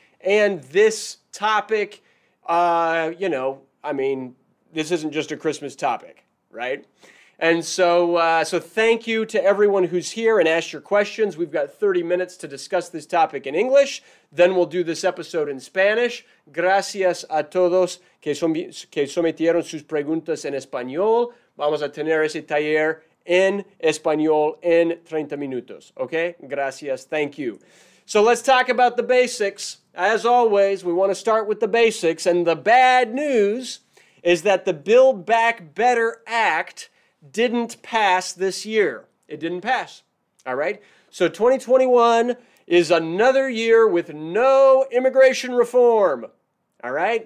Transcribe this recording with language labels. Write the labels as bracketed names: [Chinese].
[English] And this topic, this isn't just a Christmas topic, right? And so thank you to everyone who's here and asked your questions. We've got 30 minutes to discuss this topic in English. Then we'll do this episode in Spanish. [Spanish] Gracias a todos que sometieron sus preguntas en español. Vamos a tener ese taller en español en 30 minutos. [English] Okay? [Spanish] Gracias. [English] Thank you. So let's talk about the basics. As always, we want to start with the basics. And the bad news is that the Build Back Better Act didn't pass this year. It didn't pass. All right? So 2021 is another year with no immigration reform. All right?